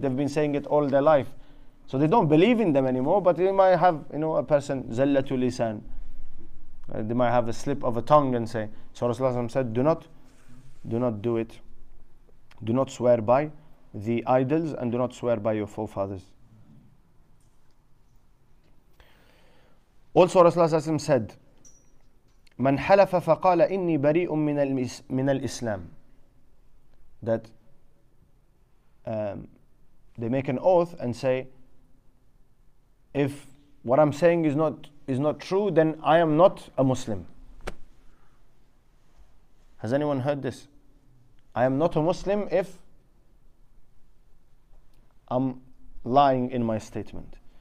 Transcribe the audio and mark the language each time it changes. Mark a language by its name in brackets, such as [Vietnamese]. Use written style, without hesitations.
[English] They've been saying it all their life. So they don't believe in them anymore, but they might have, a person, Zallatu Lisan. They might have a slip of a tongue and say. So Rasulullah said, do not do it. Do not swear by the idols and do not swear by your forefathers. Also Rasulullah said, [Arabic] من حلف فقال إني بريء من الإسلام. [English] That they make an oath and say, if what I'm saying is not true, then I am not a Muslim. Has anyone heard this? I am not a Muslim if I'm lying in my statement.